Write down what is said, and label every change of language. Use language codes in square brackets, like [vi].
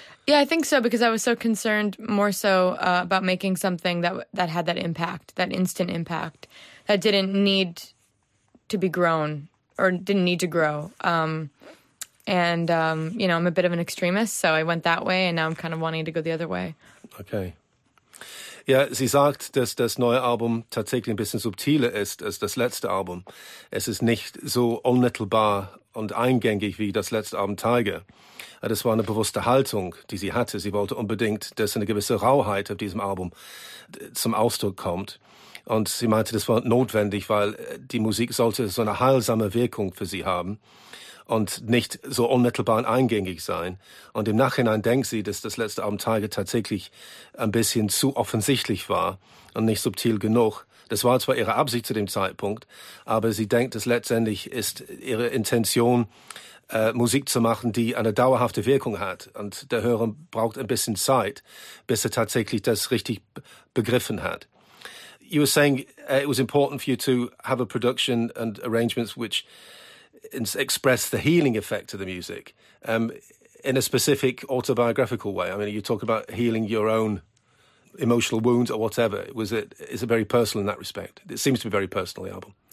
[en] Yeah, I think so, because I was so concerned more so about making something that had that impact, that instant impact, that didn't need to be grown or didn't need to grow. You know, I'm a bit of an extremist, so I went that way, and now I'm kind of wanting to go the other way. Okay. [de] Ja, sie sagt, dass das neue Album tatsächlich ein bisschen subtiler ist als das letzte Album. Es ist nicht so unmittelbar und eingängig wie das letzte Album Tiger. Das war eine bewusste Haltung, die sie hatte. Sie wollte unbedingt, dass eine gewisse Rauheit auf diesem Album zum Ausdruck kommt. Und sie meinte, das war notwendig, weil die Musik sollte so eine heilsame Wirkung für sie haben und nicht so unmittelbar und eingängig sein. Und im Nachhinein denkt sie, dass das letzte Album Tiger tatsächlich ein bisschen zu offensichtlich war und nicht subtil genug. Das war zwar ihre Absicht zu dem Zeitpunkt, aber sie denkt, dass letztendlich ist ihre Intention, Musik zu machen, die eine dauerhafte Wirkung hat. Und der Hörer braucht ein bisschen Zeit, bis er tatsächlich das richtig begriffen hat. [en] You were saying it was important for you to have a production and arrangements which express the healing effect of the music in a specific autobiographical way. I mean, you talk about healing your own emotional wounds or whatever. Is it very personal in that respect? It seems to be a very personal, the album.